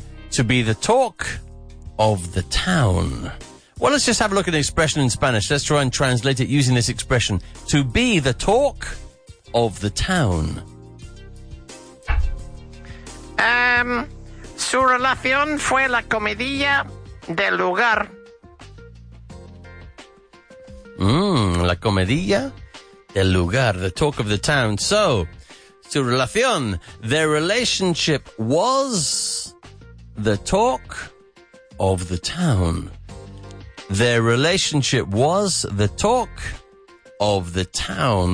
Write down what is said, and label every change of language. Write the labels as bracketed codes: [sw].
[en] To be the talk of the town. Well, let's just have a look at the expression in Spanish. Let's try and translate it using this expression. To be the talk of the town. [es] Su relación fue la comedia del lugar. La comedia del lugar, [en] the talk of the town. So, [es] su relación, [en] their relationship was the talk of the town. Their relationship was the talk of the town.